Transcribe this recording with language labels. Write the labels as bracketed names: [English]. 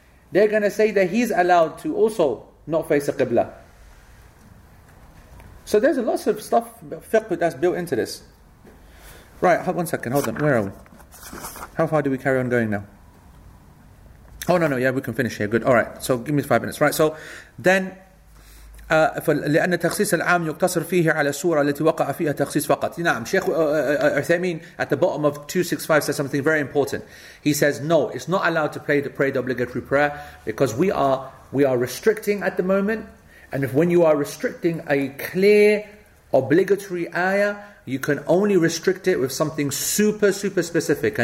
[English] They're going to say that he's allowed to also not face a Qibla. So there's a lot of stuff, fiqh, that's built into this. Right, one second, hold on. Where are we? How far do we carry on going now? Oh, no, yeah, we can finish here. Good. All right. So give me 5 minutes. Right. So then, [Arabic] لأن تخصيص العام يقتصر فيه على السورة التي وقع فيها تخصيص فقط. نعم, [English] Sheikh Uthaymeen at the bottom of 265 says something very important. He says, no, it's not allowed to pray the obligatory prayer because we are restricting at the moment. And if when you are restricting a clear obligatory ayah, you can only restrict it with something super, super specific.